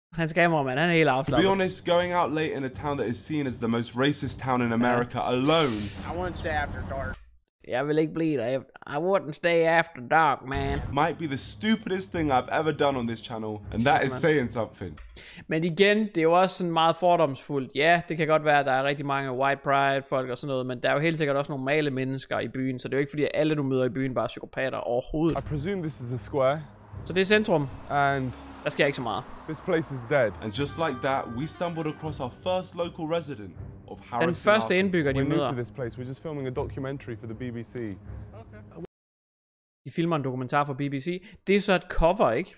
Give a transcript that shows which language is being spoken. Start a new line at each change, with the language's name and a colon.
Danish: Hans kameramand, han er helt afslappet.
English: To be honest, going out late in a town that is seen as the most racist town in America alone. I wouldn't stay after dark.
Danish: Jeg vil ikke blive der.
English: I wouldn't stay after dark, man. Might be the stupidest thing I've ever done on this channel, and that is saying something.
Danish: Men igen, det er jo også sådan meget fordomsfuldt. Ja, det kan godt være, at der er rigtig mange white pride folk og sådan noget, men der er jo helt sikkert også normale mennesker i byen, så det er jo ikke fordi, at alle du møder i byen bare er psykopater overhovedet.
English: I presume this is the square.
Danish: Så det er centrum.
English: And
Danish: der sker ikke så meget.
English: This place is dead. And just like that, we stumbled across our first local resident of Harrison.
Danish: Den første indbygger, de møder.
English: We're new to this place. We're just filming a documentary for the BBC.
Danish: Okay. De filmer en dokumentar for BBC. Det er så et cover, ikke?